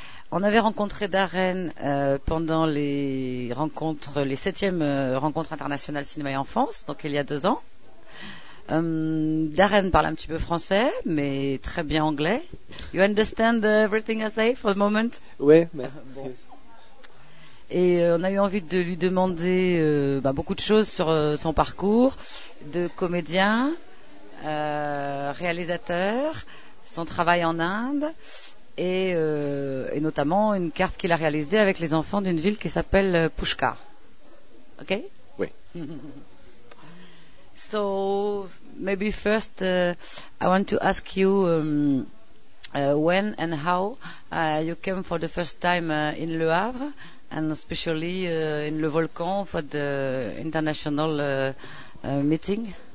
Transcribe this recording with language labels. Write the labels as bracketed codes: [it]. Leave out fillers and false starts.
[fr] On avait rencontré Darren pendant les 7e rencontres internationales cinéma et enfance, donc il y a 2 ans. Darren parle un petit peu français, mais très bien anglais. [en] You understand everything I say for the moment? [fr] Oui, mais bon. Et on a eu envie de lui demander beaucoup de choses sur son parcours de comédien, réalisateur, son travail en Inde et notamment une carte qu'il a réalisée avec les enfants d'une ville qui s'appelle Pushkar. Ok? Oui. [en] So, maybe first I want to ask you when and how you came for the first time in Le Havre and especially in Le Volcan for the international meeting.